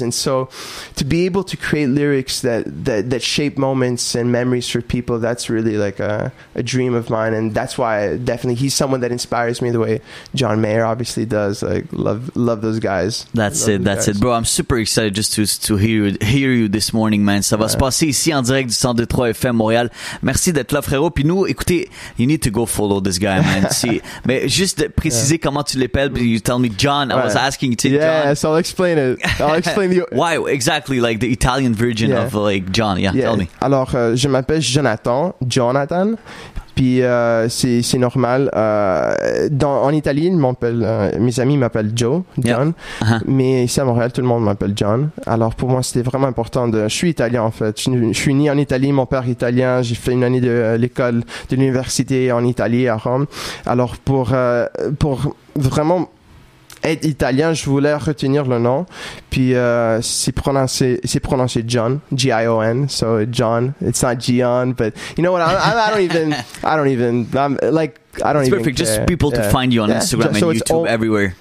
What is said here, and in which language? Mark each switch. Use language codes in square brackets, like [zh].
[en] And so to be able to create lyrics that shape moments and memories for people, that's really like a dream of mine. And that's why definitely he's someone that inspires me the way John Mayer obviously does. Like love those guys. That's it, bro. I'm super excited just to hear you this morning, man. [fr] Ça va se passer ici en direct du 102.3 FM Montréal. Merci d'être là, frérot. Puis nous, écoutez, [en] you need to go follow this guy, man. See, [fr] mais juste préciser comment tu l'appelles, [en] but you tell me John. Right. I was asking you to yeah, John. Yeah, so I'll explain it. I'll explain you. Why? Exactly, like the Italian version of like John. Yeah, tell me. [fr] Alors, je m'appelle Jonathan. Puis c'est normal. En Italie, mes amis m'appellent Joe, John. Yeah. Uh-huh. Mais ici à Montréal, tout le monde m'appelle John. Alors pour moi, c'était vraiment important. Je suis italien en fait. Je suis né en Italie, mon père est italien. J'ai fait une année de l'école, de l'université en Italie, à Rome. Alors pour vraiment être italien, je voulais retenir le nom. Puis c'est prononcé John, G-I-O-N. [en] So John, it's not Gian, but you know what? I don't even care. Just people to find you on Instagram and YouTube everywhere.